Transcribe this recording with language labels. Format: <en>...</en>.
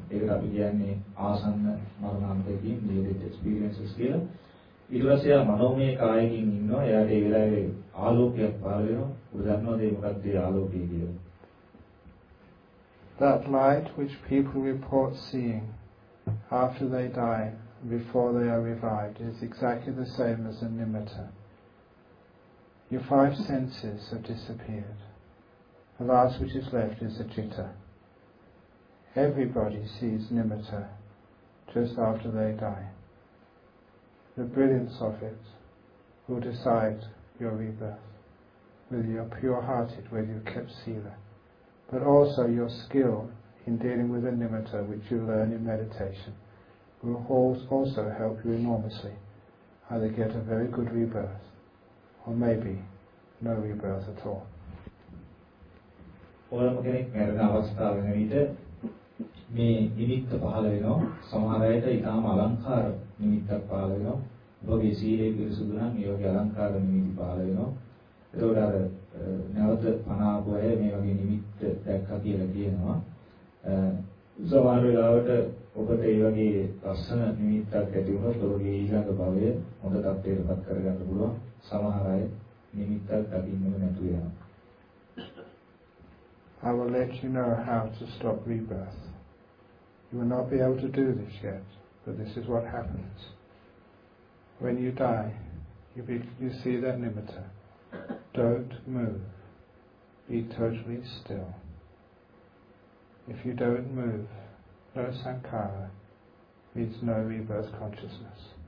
<si>ඒකට අපි කියන්නේ ආසන්න මරණාන්තයේදී</si> <en>near-death experiences</en> <si>කියලා. ඊට පස්සේ ආ මනෝමය කායකින් ඉන්නවා. එයාට ඒ වෙලාවේ ආලෝකයක් පාර වෙනවා. උඹ දන්නවද ඒ මොකක්ද ඒ ආලෝකය කියලා?</si> <en>That light which people report seeing after they die, before they are revived, is exactly the same as a nimitta. Your five senses have disappeared. The last which is left is the citta. Everybody sees nimitta just after they die. The brilliance of it will decide your rebirth, whether you're pure-hearted, whether you're kept sila, but also your skill in dealing with the nimitta which you learn in meditation will also help you enormously, either get a very good rebirth or maybe no rebirth at all.</en> <si>ඕනම කෙනෙක් මරණ අවස්ථාව වෙන විට මේ නිමිත්ත පහළ වෙනවා. සමහර අයට ඉතාම අලංකාර නිමිත්තක් පහළ වෙනවා. ඔබගේ සීලය පිරිසුදු නම් මේ වගේ අලංකාර නිමිති පහළ වෙනවා. එතකොට අර නැවත පනාපු අය මේ වගේ නිමිත්ත දැක්කා කියලා කියනවා. සමහර වෙලාවට ඔබට මේ වගේ ලස්සන නිමිත්තක් ඇති වුණොත් ඔබේ ඊළඟ භවය හොඳ තත්ත්වයකට කරගන්න පුළුවන්. සමහර අය නිමිත්තක් දකින්නම නැතු වෙනවා.</si> <en>I will let you know how to stop rebirth. You will not be able to do this yet, but this is what happens. When you die, you see that nimitta. Don't move. Be totally still. If you don't move, no sankhara means no rebirth consciousness.</en>